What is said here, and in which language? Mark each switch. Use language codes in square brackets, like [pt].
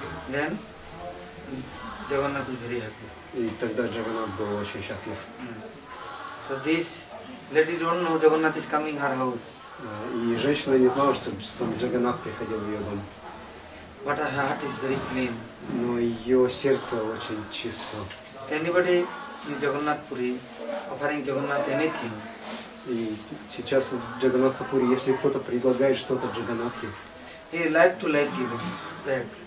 [en] Then Jagannath is very happy. [ru] И тогда Джаганат был очень счастлив. [en] So this lady don't know Jagannat is coming her house. [ru] И женщина не знала, что сам Джаганат приходил в ее дом. [en] But her heart is very clean. [ru] Но ее сердце очень чисто. [en] Anybody in Jagannath Puri offering Jagannat anything? [ru] И сейчас в Джаганатха Пури, если кто-то предлагает что-то Джаганатхе, [en] he like to like giving back.